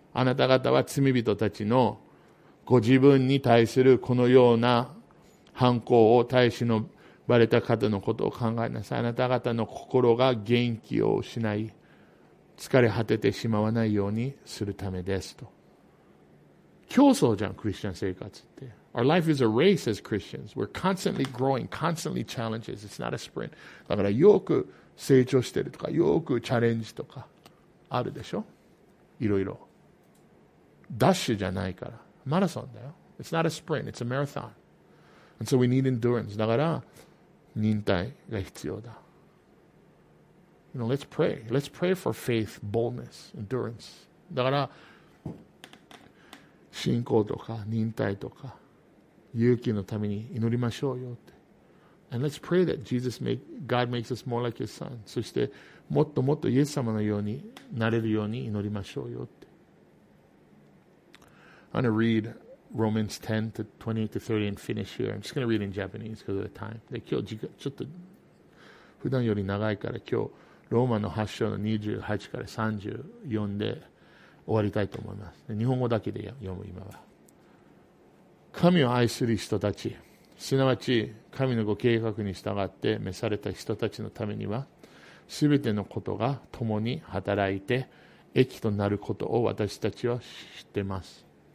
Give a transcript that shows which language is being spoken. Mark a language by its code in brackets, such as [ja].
[ja] あなた方は罪人たちのご自分に対するこのような反抗を耐え忍ばれた方のことを考えなさい。あなた方の心が元気を失い、疲れ果ててしまわないようにするためですと。競争じゃん、クリスチャン生活って。 [en] Our life is a race as Christians. We're constantly growing, constantly challenges. It's not a sprint. [ja] だからよく成長してるとか、よくチャレンジとかあるでしょ？いろいろ。ダッシュじゃないから。マラソンだよ。 [en] It's not a sprint, it's a marathon. And so we need endurance. [ja] だから、忍耐が必要だ。 [en] You know, let's pray. Let's pray for faith, boldness, endurance. [ja] だから、信仰とか忍耐とか、勇気のために祈りましょうよって。 [en] And let's pray that Jesus make, God makes us more like his son. [ja] そして、もっともっとイエス様のようになれるように祈りましょうよって。 [en] I'm going to read Romans 10 to 28 to 30 and finish here. I'm just going to read in Japanese because of the time. [ja] で、今日、ちょっと、普段より長いから今日、ローマの8章の28から34で終わりたいと思います。で、日本語だけで読む今は。神を愛する人たち、すなわち神のご計画に従って召された人たちのためには、すべてのことが共に働いて益となることを私たちは知っています。